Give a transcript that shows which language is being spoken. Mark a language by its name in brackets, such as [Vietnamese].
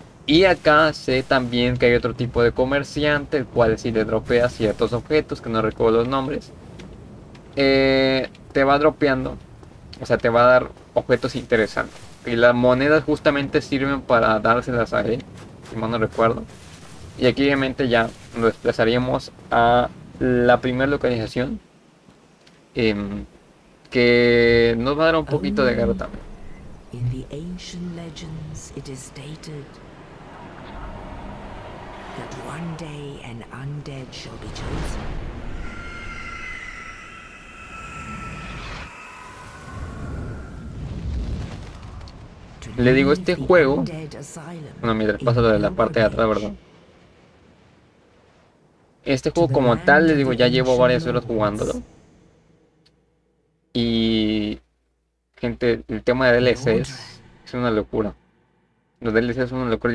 [Spanish] Y acá sé también que hay otro tipo de comerciante, el cual si le dropea ciertos objetos, que no recuerdo los nombres, te va dropeando, o sea, te va a dar objetos interesantes. Y las monedas justamente sirven para dárselas a él, si mal no recuerdo. Y aquí obviamente ya lo desplazaríamos a la primera localización. Que nos va a dar un poquito de garra también. [English] In the ancient legends it is stated that one day an undead shall be chosen. [Spanish] Le digo, este juego, bueno, mientras pasa lo de la parte de atrás, ¿verdad? Este juego como tal, le digo, ya llevo varias horas jugándolo. Y, gente, el tema de DLC es una locura. Los DLC es una locura.